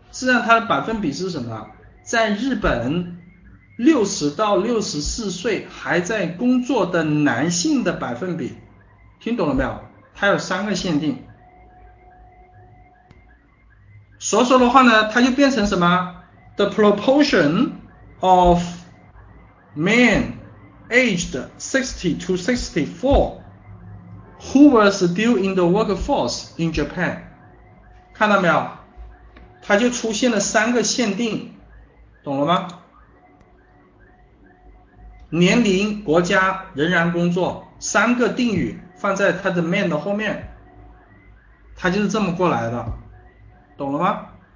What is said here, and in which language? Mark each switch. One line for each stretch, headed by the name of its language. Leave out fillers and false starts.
Chinese: 实际上它的百分比是什么？在日本，60到64岁还在工作的男性的百分比，听懂了没有？它有3个限定。所以说的话呢，它就变成什么？
English: The proportion of men aged 60 to 64Who was still in the workforce in Japan?
Chinese: 看到没有？它就出现了3个限定，懂了吗？年龄、国家、仍然工作，3个定语放在它的 man 的后面，它就是这么过来的，懂了吗？